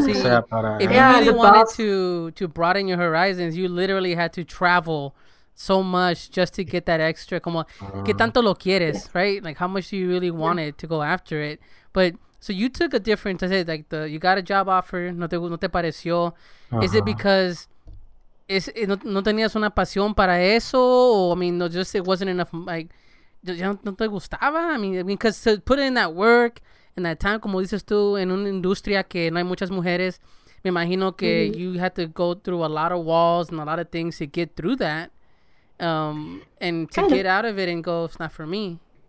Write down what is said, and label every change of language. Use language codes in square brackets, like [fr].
[en] See, [es] sea para, [en] if you really wanted to broaden your horizons, you literally had to travel so much just to get that extra, [es] como, que tanto lo quieres, [en] right? Like, how much do you really want it to go after it? But, so you took a different, I said, like, you got a job offer, [es] no te pareció. [en] Uh-huh. Is it because [es] no tenías una pasión para eso? [en] Or, I mean, no, just it wasn't enough, like, [es] ya no te gustaba? [en] I mean, because to put in that work, and that time, [es] como dices tú, en una industria que no hay muchas mujeres, me imagino que mm-hmm. [en] you had to go through a lot of walls and a lot of things to get through that. And to kind get of. Out of it and go, it's not for me.